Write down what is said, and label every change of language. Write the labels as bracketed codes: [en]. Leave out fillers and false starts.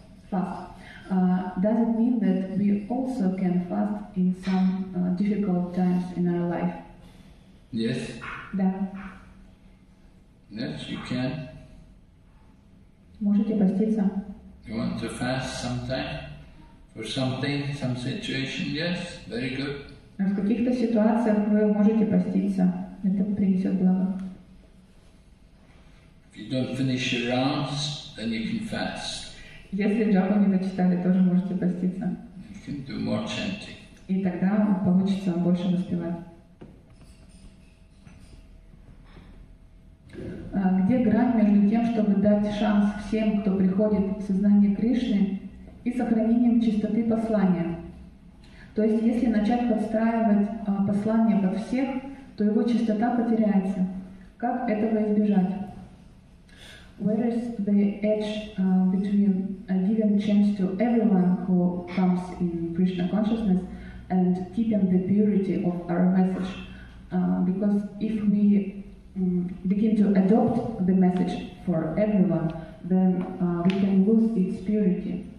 [en] Does it mean that we also can fast in some difficult times in our life? Yes. [ru] Да. [en] Yes, you can. [ru] Можете поститься. [en] You want to fast sometime for something, some situation? Yes, very good. [ru] В каких-то ситуациях вы можете поститься. Это принесет благо. [en] If you don't finish your rounds, then you can fast. [ru] Если джапу не дочитали, тоже можете поститься. [en] You can do more chanting. [ru] И тогда получится больше воспевать. Где грань между тем, чтобы дать шанс всем, кто приходит в сознание Кришны, и сохранением чистоты послания? То есть, если начать подстраивать послание во всех, то его чистота потеряется. Как этого избежать? [en] Where is the edge between giving chance to everyone who comes in Krishna consciousness and keeping the purity of our message? Because if we begin to adopt the message for everyone, then we can lose its purity.